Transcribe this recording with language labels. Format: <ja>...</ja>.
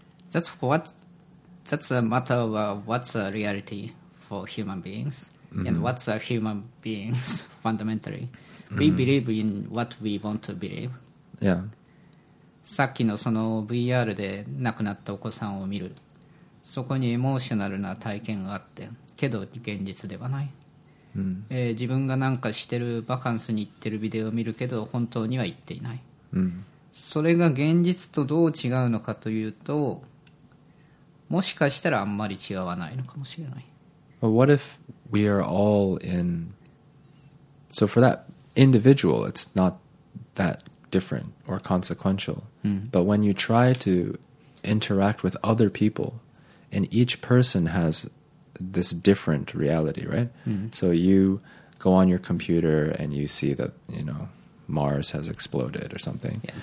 <en>That's a matter of what's a reality for human beings and what's a human being's fundamentally. We believe in what we want to believe. Yeah.</en> <ja>さっきのその VR で亡くなったお子さんを見る。そこにエモーショナルな体験があって、けど現実ではない。自分がなんかしてるバカンスに行ってるビデオを見るけど本当には行っていない。それが現実とどう違うのかというと、もしかしたらあんまり違わないのかもしれない。</ja> <en>But what if we are all in? So for that individual, it's not that different or consequential. But when you try to interact with other people, and each person has this different reality, right? So you go on your computer and you see that, you know, Mars has exploded or something.</en>